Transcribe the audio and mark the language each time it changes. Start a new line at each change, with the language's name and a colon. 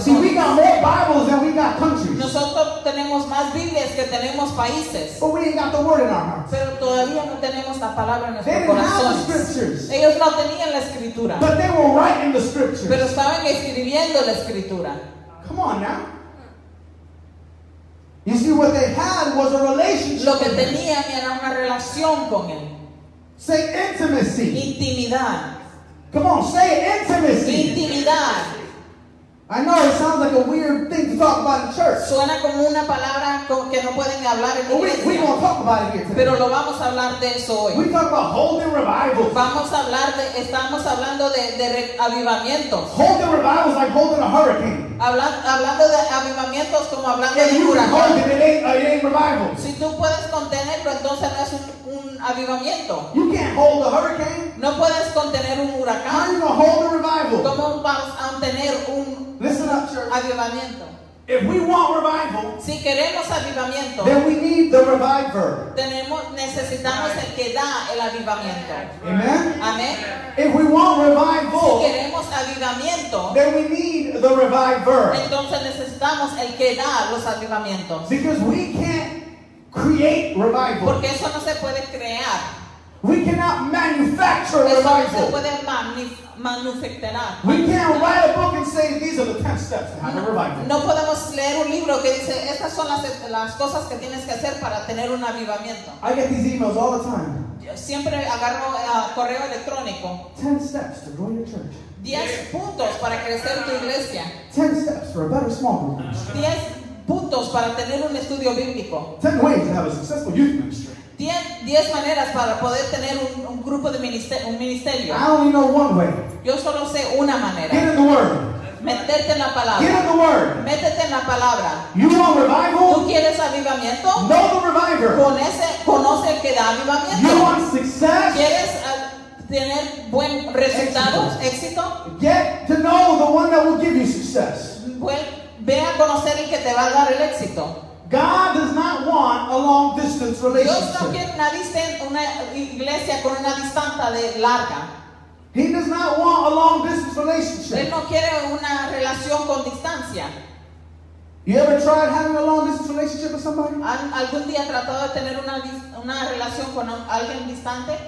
English: See, we got more Bibles than we got countries.
Spanish: Nosotros tenemos más Biblias que tenemos países.
English: But we ain't got the Word in our hearts.
Spanish: Pero todavía no tenemos la palabra en nuestros corazones.
English: They didn't have the scriptures.
Spanish: Ellos no tenían la escritura.
English: But they were writing the scriptures.
Spanish: Pero estaban escribiendo la escritura.
English: Come on now. You see, what they had was a relationship.
Spanish: Lo que tenían era una relación con él.
English: Say intimacy.
Spanish: Intimidad.
English: Come on, say intimacy.
Spanish: Intimidad.
English: I know it sounds like a weird thing to talk about in church.
Spanish: Suena como una palabra que no pueden hablar en iglesia.
English: We won't talk about it here today.
Spanish: Pero lo vamos a hablar de eso hoy.
English: We talk about holding revivals.
Spanish: Vamos a hablar de, estamos hablando de avivamientos.
English: Holding revivals like holding a hurricane.
Spanish: Hablando de avivamientos como hablando de huracán.
English: It ain't revival.
Spanish: Si tú puedes contenerlo, entonces no es un avivamiento.
English: You can't hold a hurricane.
Spanish: No puedes contener un huracán.
English: How are you gonna hold a revival?
Spanish: ¿Cómo vas a tener un avivamiento?
English: If we want revival,
Spanish: si queremos avivamiento,
English: then we need the reviver.
Spanish: Necesitamos el que da el avivamiento.
English: Amen.
Spanish: Amen.
English: If we want revival,
Spanish: si queremos avivamiento,
English: then we need the reviver.
Spanish: Entonces necesitamos el que da los avivamientos.
English: Because we can't create revival.
Spanish: Porque eso no se puede crear.
English: We cannot manufacture revival.
Spanish: Eso no se puede manufacturar.
English: We can't write a book and say these are the 10 steps to have a revival.
Spanish: No podemos leer un libro que dice estas son las cosas que tienes que hacer para tener un avivamiento.
English: I get these emails all the time.
Spanish: Siempre agarro correo electrónico.
English: 10 steps to grow your church.
Spanish: 10 puntos para crecer tu iglesia.
English: 10 steps for a better small group ministry.
Spanish: 10 puntos para tener un estudio bíblico.
English: 10 ways to have a successful youth ministry.
Spanish: 10 maneras para poder tener un grupo de ministerio.
English: I only know one way.
Spanish: Yo solo sé una manera.
English: Get in the word.
Spanish: Meterte en la palabra.
English: Get in the word.
Spanish: Métete en la palabra.
English: You want revival?
Spanish: ¿Tú quieres avivamiento?
English: Know the reviver.
Spanish: Conoce el que da avivamiento.
English: You want success?
Spanish: ¿Quieres tener buen resultado? Éxito.
English: Get to know the one that will give you success.
Spanish: Ve a conocer el que te va a dar el éxito.
English: God does not want a long distance relationship.
Spanish: Dios no quiere una iglesia con una distancia de larga.
English: He does not want a long distance relationship.
Spanish: Él no quiere una relación con distancia.
English: You ever tried having a long distance relationship with somebody?
Spanish: ¿Algún día tratado de tener una relación con alguien distante?